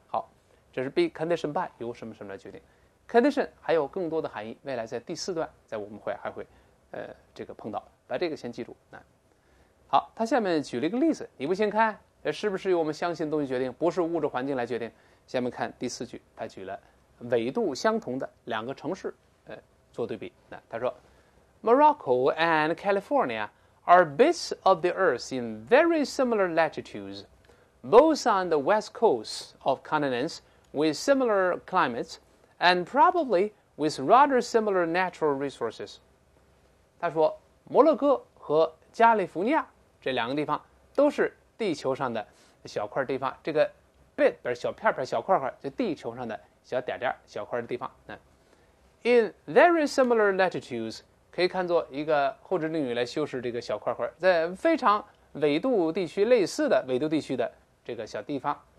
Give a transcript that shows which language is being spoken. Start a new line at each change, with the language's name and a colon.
Chinese: 好，这是
English: be conditioned by
Chinese: 由什么什么来决定。Condition 还有更多的含义，未来在第四段在我们会还会这个碰到，把这个先记住。好，他下面举了一个例子，你不先看是不是由我们相信的东西决定，不是物质环境来决定。下面看第四句，他举了纬度相同的两个城市做对比。他说
English: Morocco and California are bits of the earth in very similar latitudes, both on the west coast of continents with similar climates,And probably with rather similar natural resources.
Chinese: 他说摩洛哥和加利福尼亚这两个地方都是地球上的小块地方，这个 bit 不是小片片小块块，就地球上的小点点小块的地方。
English: In very similar latitudes
Chinese: 可以看作一个后置定语来修饰这个小块块，在非常纬度地区类似的纬度地区的这个小地方。